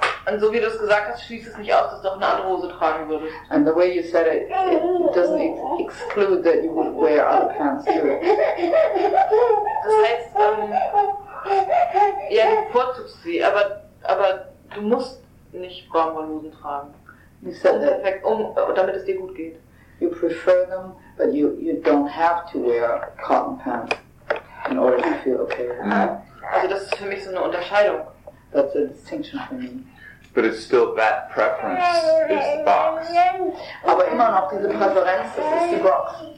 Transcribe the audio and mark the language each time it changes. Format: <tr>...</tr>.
<de>Und so wie du es gesagt hast, schließt es nicht aus, dass du auch eine andere Hose tragen würdest.</de> <en>And the way you said it, it doesn't exclude that you would wear other pants too.</en> <de>Das heißt, ja, du bevorzugst sie, aber du musst nicht Baumwollhosen tragen.</de> <en>You said that,</en> <de>damit es dir gut geht.</de> <en>You prefer them, but you don't have to wear cotton pants in order to feel okay. No.</en> <de>Also das ist für mich so eine Unterscheidung.</de> <en>That's a distinction for me. But it's still that preference is the box.</en> <de>Aber immer noch diese Präferenz, das ist die Box.</de>